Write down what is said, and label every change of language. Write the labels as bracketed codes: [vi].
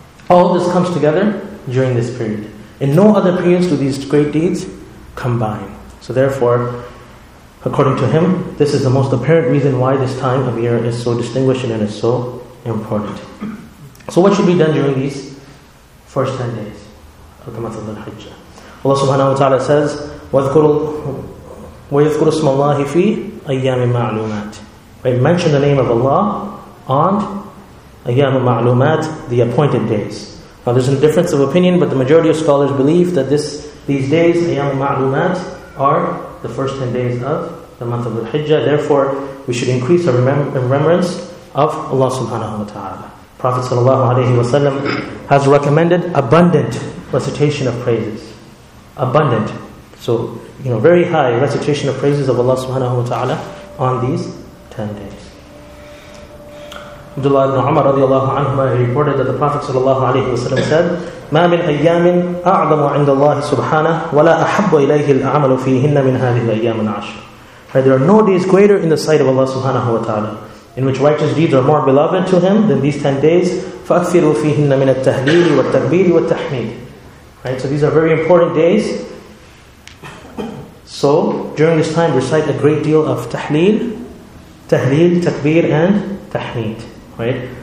[en] All this comes together during this period. In no other periods do these great deeds combine. So therefore, according to him, this is the most apparent reason why this time of year is so distinguished and is so important. So what should be done during these first 10 days of the month of Dhul-Hijjah? [ar] Allah subhanahu wa ta'ala says, وَيَذْكُرُ اسْمَ اللَّهِ فِي أَيَّامِ مَعْلُومَاتِ. [en] Right? Mention the name of Allah on [ar] أَيَّامِ مَعْلُومَاتِ, [en] the appointed days. Now there's a difference of opinion, but the majority of scholars believe that these days, [ar] أَيَّامِ مَعْلُومَاتِ, [en] are the first 10 days of the month of Dhul-Hijjah. Therefore, we should increase our remembrance of Allah subhanahu wa ta'ala. Prophet sallallahu alayhi wa sallam has recommended abundant recitation of praises. Abundant. So, you know, very high recitation of praises of Allah subhanahu wa ta'ala on these 10 days. [ar] Abdullah ibn Umar radiallahu anhu reported that the Prophet sallallahu alayhi wa sallam said, مَا مِنْ أَيَّامٍ أَعْظَمُ عِنْدَ اللَّهِ سُبْحَانَهُ وَلَا أَحَبُّ إِلَيْهِ الْأَعْمَلُ فِيهِنَّ مِنْ هَذِهِ الْأَيَّامُ الْعَشْرِ. [en] Right, there are no days greater in the sight of Allah subhanahu wa ta'ala in which righteous deeds are more beloved to Him than these 10 days. [ar] فَأَكْثِرُوا فِيهِنَّ مِنَ التَّهْلِيلِ وَالتَّكْبِيرِ وَالتَّحْمِيدِ. [en] Right, so these are very important days. So during this time, recite a great deal of tahleel, tahleel, takbir, and tahmeed. Right?